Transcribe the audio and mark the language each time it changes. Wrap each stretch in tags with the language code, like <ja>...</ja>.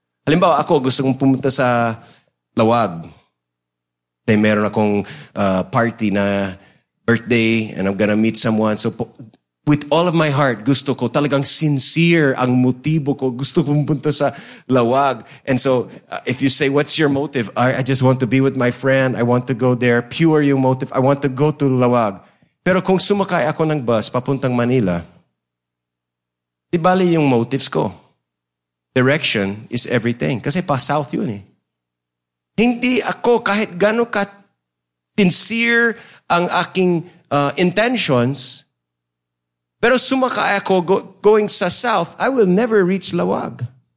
<tl>Halimbawa, ako gusto kong pumunta sa Lawag. Then meron akong party na birthday</tl> <en>and I'm gonna meet someone. So with all of my heart,</en> <tl>gusto ko talagang sincere ang motibo ko. Gusto kong pumunta sa Lawag.</tl> <en>And so if you say, what's your motive? I just want to be with my friend. I want to go there. Pure yung motive. I want to go to Lawag.</en> <tl>Pero kung sumakay ako ng bus papuntang Manila, di bali yung motives ko.</tl> <en>Direction is everything.</en> <tl>Kasi pa south yun eh. Hindi ako kahit gano'n ka sincere ang aking intentions, pero sumakay ako going sa south,</tl> <en>I will never reach Lawag.</en>